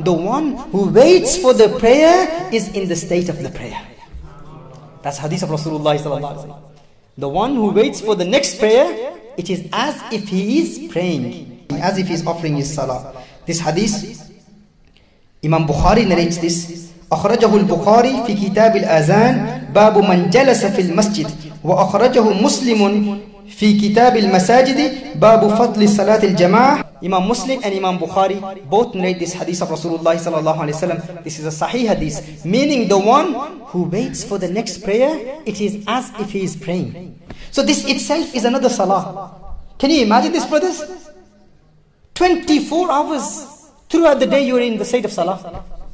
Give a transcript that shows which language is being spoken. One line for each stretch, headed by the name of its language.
English: The one who waits for the prayer is in the state of the prayer. That's hadith of Rasulullah sallallahu alayhi wa sallam. The one who waits for the next prayer, it is as if he is praying, as if he is offering his salah. This hadith, Imam Bukhari narrates this.
Arabic: أخرجه البخاري في كتاب الأذان باب من جلس في المسجد وأخرجه مسلم في كتاب المساجد باب فضل صلاة الجماعة.
English: Imam Muslim and Imam Bukhari both narrate this hadith of Rasulullah sallallahu alaihi wasallam. This is a sahih hadith, meaning the one who waits for the next prayer, it is as if he is praying. So this itself is another salah. Can you imagine this, brothers? 24 hours throughout the day you are in the state of salah.